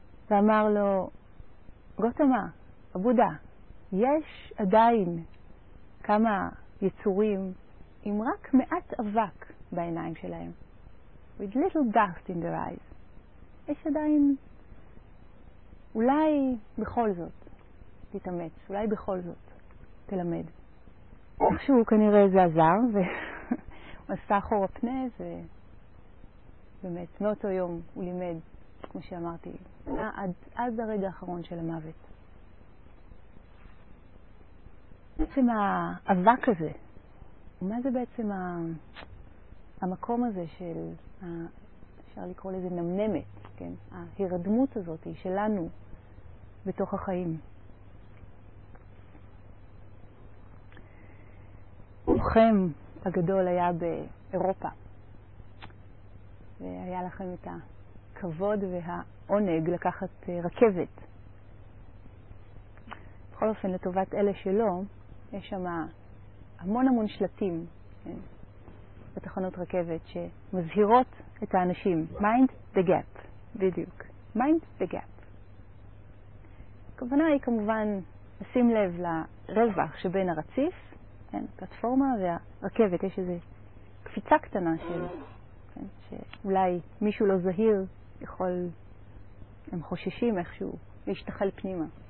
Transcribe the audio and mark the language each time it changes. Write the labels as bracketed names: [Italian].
[Hebrew] ואמר לו, גוטמה, הבודה, יש עדיין כמה יצורים עם רק מעט אבק בעיניים שלהם. [English] With little dust in their eyes. [Hebrew] יש עדיין, אולי בכל זאת תתאמץ, אולי בכל זאת תלמד. איכשהו כנראה זה עזר, ועשה אחור הפנה, ובאמת, מאותו יום הוא לימד, כמו שאמרתי, עד הרגע האחרון של המוות. בעצם האבק הזה, מה זה בעצם המקום הזה של, אפשר לקרוא לזה נמנמת, כן? ההירדמות הזאת שלנו בתוך החיים. לוחם הגדול היה באירופה, והיה לכם את הכבוד והעונג לקחת רכבת. בכל אופן, לטובת אלה שלא, יש שם המון המון שלטים, כן? בתחנות רכבת שמזהירות את האנשים. [English] Mind the gap, [Hebrew] בדיוק. [English] Mind the gap. [Hebrew] הכוונה היא כמובן לשים לב לרווח שבין הרציף, כן, פלטפורמה והרכבת. יש איזו קפיצה קטנה של, כן, שאולי מישהו לא זהיר יכול, הם חוששים איכשהו להשתחל פנימה.